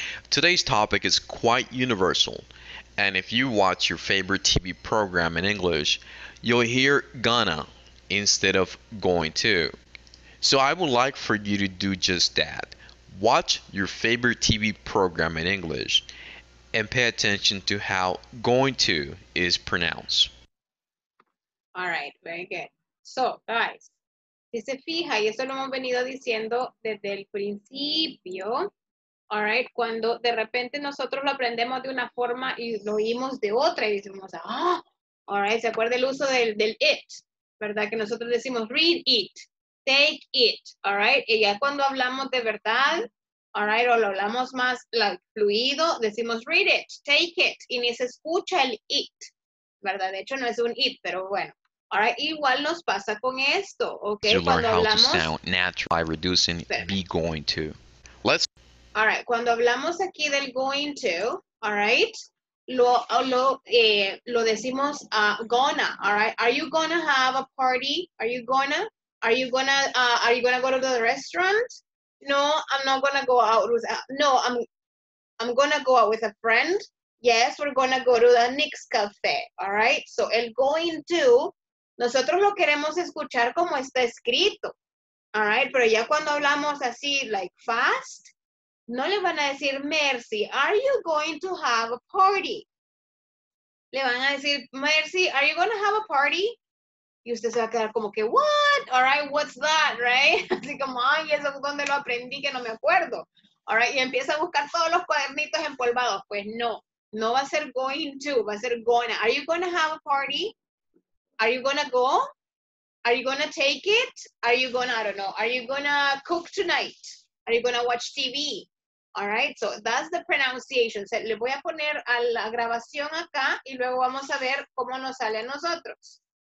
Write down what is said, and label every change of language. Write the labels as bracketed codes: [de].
[en] Today's topic is quite universal, and if you watch your favorite TV program in English, you'll hear gonna instead of going to. So I would like for you to do just that. Watch your favorite TV program in English and pay attention to how going to is pronounced. All right, very good. [es] So, guys, si se fija, y eso lo hemos venido diciendo desde el principio, all right, cuando de repente nosotros lo aprendemos de una forma y lo oímos de otra y decimos, ah, oh, all right, ¿se acuerda el uso del it? ¿Verdad? Que nosotros decimos [en] read it, take it, [es] all right, y ya cuando hablamos de verdad, all right, o lo hablamos más fluido, decimos read it, take it, y ni se escucha el it, ¿verdad? De hecho, no es un it, pero bueno. All right, igual nos pasa con esto, okay? [en] You learn how to sound natural by reducing be going to. Let's. [es] All right, cuando hablamos aquí del going to, all right, lo decimos gonna, all right? [en] Are you gonna have a party? Are you gonna go to the restaurant? No, I'm not gonna go out with. I'm gonna go out with a friend. Yes, we're gonna go to the Nick's Cafe. All right, so el going to. [es] Nosotros lo queremos escuchar como está escrito, all right? Pero ya cuando hablamos así, [en] like fast, [es] no le van a decir, Mercy, [en] are you going to have a party? [es] Le van a decir, Mercy, [en] are you going to have a party? [es] Y usted se va a quedar como que, [en] what? All right, what's that, right? [es] Así como, ay, eso es donde lo aprendí que no me acuerdo. All right, y empieza a buscar todos los cuadernitos empolvados. Pues no, no va a ser going to, va a ser gonna. [en] Are you going to have a party? Are you gonna go? Are you gonna take it? Are you gonna, I don't know, are you gonna cook tonight? Are you gonna watch TV? All right, so that's the pronunciation. [es] So, le voy a poner a la grabación acá y luego vamos a ver cómo nos sale a nosotros.